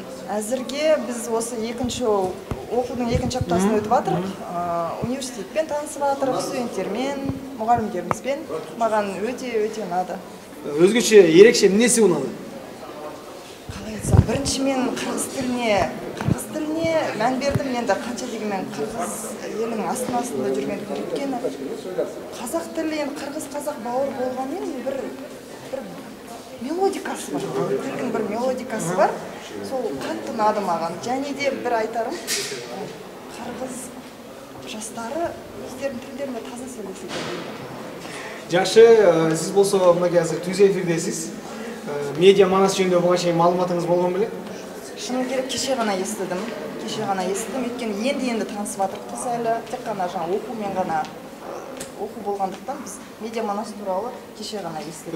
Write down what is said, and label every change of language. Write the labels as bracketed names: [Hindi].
[Kyrgyz] Азырге биз осы экинчи окуунун экинчи аптасын өтүп атырык. Университетпен таанышып атырык, студенттермен, мугалимдерибизбен. Маган өтө унады. Өзгөчө эрекше эмнеси унады? [Kazakh] Калай айтсам, биринчи мен кыргыз тилине мән бердім. Енді қанша дегенмен қырғыз елінің астанасында жүргендіктен, өйткені қазақ тілі енді қырғыз қазақ бауыр болғанмен бір мелодикасы бар, тілдің бір мелодикасы бар, сол қатты ұнады маған. Және де бір айтарым, қырғыз жастары өздерінің тілдерінде таза сөйлесе екен. [Kyrgyz] Жақсы, сіз болса мынакей азыр түз эфирдесіз, медиа Манас жөнүндө буга чейин маалыматыңыз болгон беле? Шыны керек кеше гана эстидим, өйткени энди таанышып атырыкпыз эле. Тек гана жана окуу мен гана окуу болгондуктан биз медиа Манас тууралуу кеше гана эстидик.